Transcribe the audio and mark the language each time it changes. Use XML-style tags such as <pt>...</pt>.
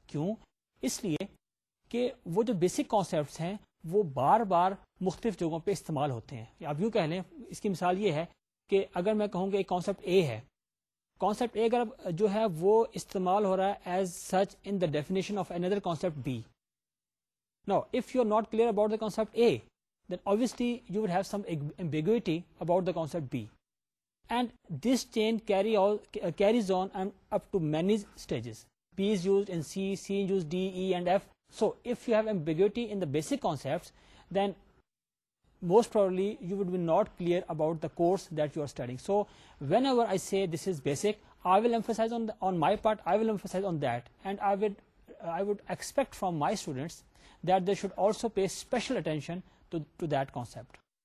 <ur>کیوں؟ اس لیے کہ وہ جو بیسک کانسیپٹس ہیں وہ بار بار مختلف جگہوں پہ استعمال ہوتے ہیں. آپ یوں کہہ لیں، اس کی مثال یہ ہے کہ اگر میں کہوں کہ ایک کانسیپٹ اے ہے، کانسیپٹ اے اگر جو ہے وہ استعمال ہو رہا ہے</ur> <en>As such in the definition of اندر concept B. Now if you are not clear about the concept A, then obviously you would have some ambiguity about the concept B. And this chain carries on and up to many stages. B is used in C, C is used D, E and F. So, if you have ambiguity in the basic concepts, then most probably you would be not clear about the course that you are studying. So, whenever I say this is basic, I will emphasize on my part, and I would expect from my students that they should also pay special attention to that concept.</en>